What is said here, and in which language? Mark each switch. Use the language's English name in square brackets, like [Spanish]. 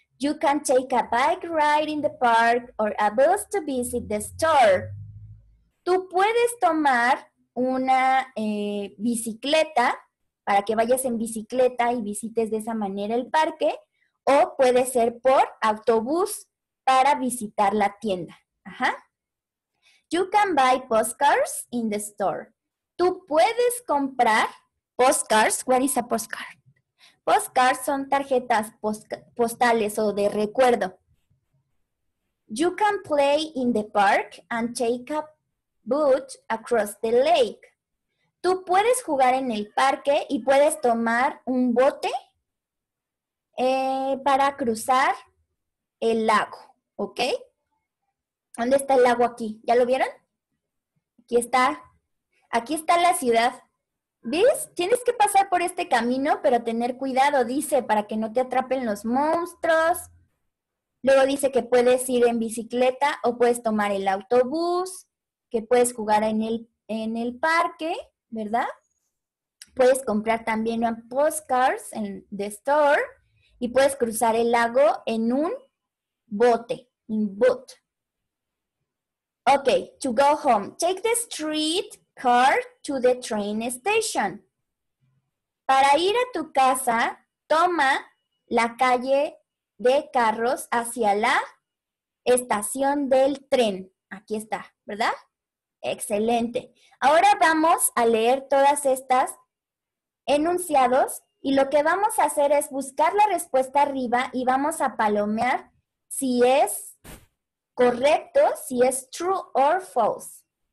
[English] You can take a bike ride in the park or a bus to visit the store. [Spanish] Tú puedes tomar una bicicleta para que vayas en bicicleta y visites de esa manera el parque, o puede ser por autobús para visitar la tienda. [English] Ajá. You can buy postcards in the store. [Spanish] Tú puedes comprar postcards. [English] What is a postcard? [Spanish] Postcards son tarjetas postales o de recuerdo. [English] You can play in the park and take a boat across the lake. [Spanish] Tú puedes jugar en el parque y puedes tomar un bote para cruzar el lago, ¿ok? ¿Dónde está el lago aquí? ¿Ya lo vieron? Aquí está. Aquí está la ciudad. ¿Ves? Tienes que pasar por este camino, pero tener cuidado, dice, para que no te atrapen los monstruos. Luego dice que puedes ir en bicicleta o puedes tomar el autobús, que puedes jugar en el parque, ¿verdad? Puedes comprar también postcards en [English] the store [Spanish] y puedes cruzar el lago en un bote, un boat. [English] Ok, to go home. Take the street car to the train station. [Spanish] Para ir a tu casa, toma la calle de carros hacia la estación del tren. Aquí está, ¿verdad? Excelente. Ahora vamos a leer todas estas enunciados y lo que vamos a hacer es buscar la respuesta arriba y vamos a palomear si es correcto, si es [English] true or false.